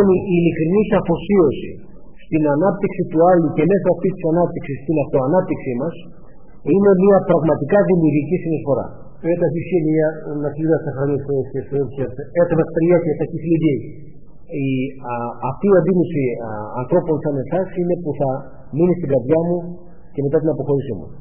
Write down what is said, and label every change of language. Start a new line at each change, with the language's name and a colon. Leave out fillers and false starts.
Russian: Это не иллюзорная фокусировка.
Greek: Στην ανάπτυξη του άλλου και μέσω αυτής της ανάπτυξης στην αυτοανάπτυξή μας είναι μια πραγματικά δημιουργική συνεισφορά.
Russian: Это ощущение на себя сохранить в своем сердце. Это восприятие таких людей.
Greek: И αυτή η αντίληψη ανθρώπων σαν εσάς είναι που θα μείνει στην καρδιά μου και μετά την αποχώρησή μου.